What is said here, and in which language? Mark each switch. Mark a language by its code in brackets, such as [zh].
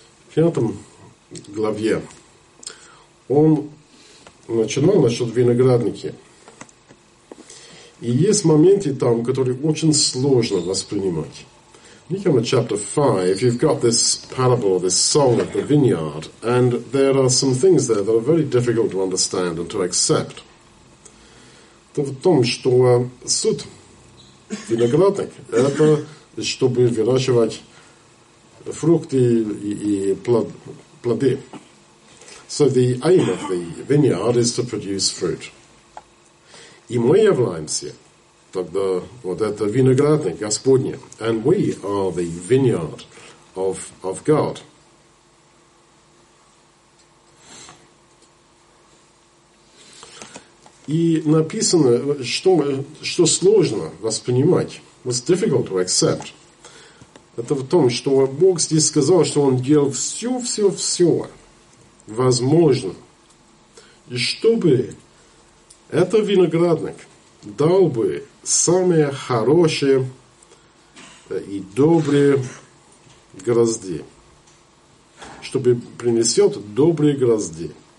[ru] В пятом главе он начинал насчет виноградники. И есть моменты там, которые очень сложно воспринимать. [en] Look at chapter 5, you've got this parable, this song of the vineyard, and there are some things there that are very difficult to understand and to accept. [ru] То в том, что суд виноградник – это чтобы выращивать фрукты и плоды. [en] So the aim of the vineyard is to produce fruit. [ru] И мы являемся тогда вот это виноградник Господня. [en] And we are the vineyard of God. [ru] И написано, что сложно воспринимать, [en] what's difficult to accept, [ru] это в том, что Бог здесь сказал, что Он делал все возможно, и чтобы этот виноградник дал бы самые хорошие и добрые грозди, чтобы принесет добрые грозди.